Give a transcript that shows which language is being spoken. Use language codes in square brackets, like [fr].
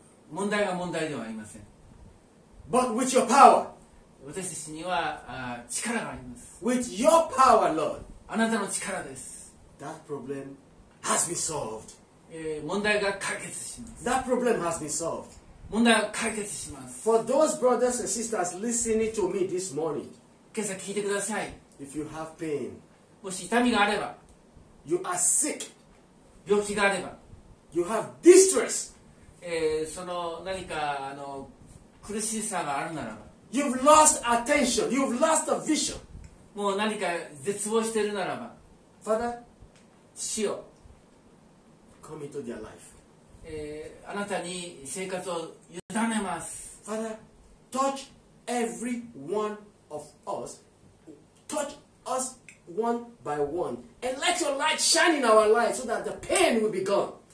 [ja] 問題は問題ではありません [en] But with your power. [ja] 私たちには力があります [en] With your power, Lord. [ja] あなたの力です [en] That problem has been solved. [ja] 問題が解決します。 [en] That problem has been solved. [ja] 問題が解決します。 [en] For those brothers and sisters listening to me this morning, [ja] 今朝聞いてください。 [en] If you have pain, [ja] もし痛みがあれば、 [en] you are sick, [ja] 病気があれば、 [en] you have distress, [ja] その何か苦しさがあるならば、 [en] you've lost attention, you've lost a vision, [ja] もう何か絶望しているならば、 [en] Father, [ja] 死を。 [en] Come into their life. [ja] あなたに生活を委ねます。 [en] Father, touch every one of us. Touch us one by one. And let your light shine in our lives so that the pain will be gone.